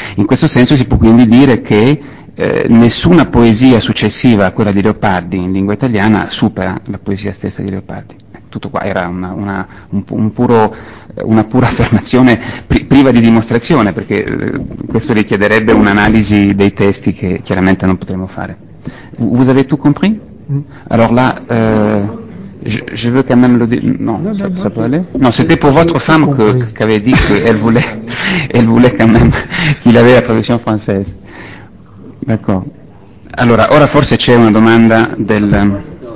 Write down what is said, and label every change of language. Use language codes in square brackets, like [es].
[it] In questo senso si può quindi dire che nessuna poesia successiva a quella di Leopardi in lingua italiana supera la poesia stessa di Leopardi. Tutto qua era una pura affermazione priva di dimostrazione, perché questo richiederebbe un'analisi dei testi che chiaramente non potremmo fare. [fr] Vous avez tout compris? Alors là, je veux quand même le dire. Non, ça peut aller? Non, c'était pour votre femme qu'avait dit qu'elle voulait quand même qu'il avait la traduction française. D'accord. [it] Allora, ora forse c'è una domanda del.